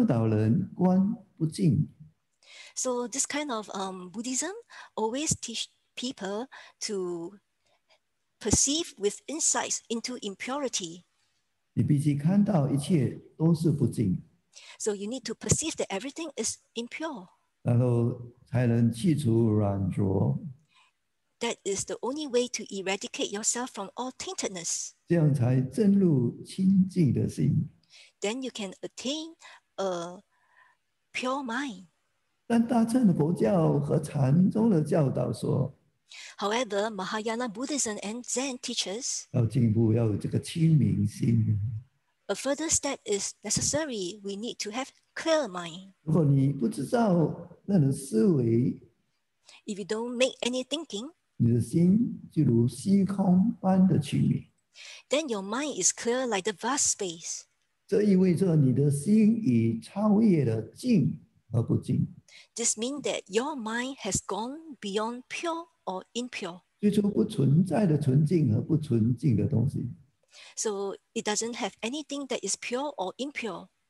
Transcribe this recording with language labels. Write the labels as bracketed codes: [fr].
[zh] 因此这些佛教总是教导人观不净。 [en] So this kind of Buddhism always teach people to perceive with insights into impurity. [zh] 你必须看到一切都是不净, [en] so you need to perceive that everything is impure. [zh] 然后才能去除软浊, [en] that is the only way to eradicate yourself from all taintedness. [zh] 这样才证入清净的心, [en] then you can attain a pure mind. [zh] 但大乘的佛教和禅宗的教导说, [en] however, Mahayana Buddhism and Zen teaches, [zh] 要进步要有这个清明心, [en] a further step is necessary. We need to have clear mind. [zh] 如果你不知道那种思维, [en] if you don't make any thinking, [zh] 你的心就如虚空般的清明, [en] then your mind is clear like the vast space. [zh] 这意味着你的心已超越了净和不净。 [en] This means that your mind has gone beyond pure or impure. [zh] 最初不存在的纯净和不纯净的东西。 [en] So it doesn't have anything that is pure or impure.